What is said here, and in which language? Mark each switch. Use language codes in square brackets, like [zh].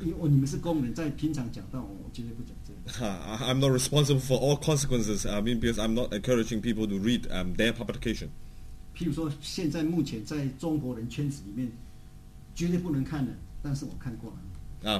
[zh] 你们是工人，在平常讲到我绝对不讲这个。 [en] I'm not responsible for all consequences. I mean, because I'm not encouraging people to read their publication. [zh] 譬如说，现在目前在中国人圈子里面，绝对不能看的，但是我看过了。